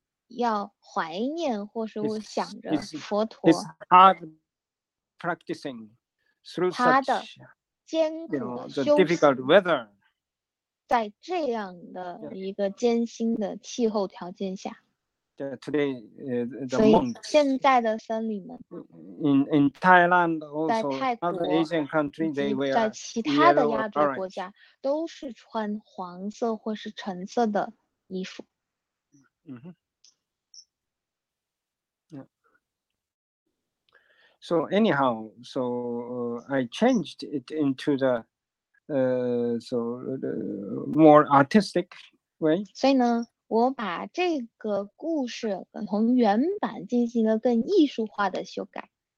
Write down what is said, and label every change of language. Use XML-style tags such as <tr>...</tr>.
<zh>要怀念或是我想着佛陀</zh> <en>his hard practicing through such</en> <zh>他的艰苦</zh> <en>the difficult weather</en> <zh>在这样的一个艰辛的气候条件下</zh> <en>today the monks</en> <zh>现在的僧侣们</zh> <en>in Thailand also other Asian country they wear</en> <zh>在其他的亚洲国家都是穿黄色或是橙色的衣服。嗯哼。</zh> <en>So anyhow, so I changed it into the so the more artistic way.</en> <zh>所以呢，我把这个故事从原版进行了更艺术化的修改。</zh>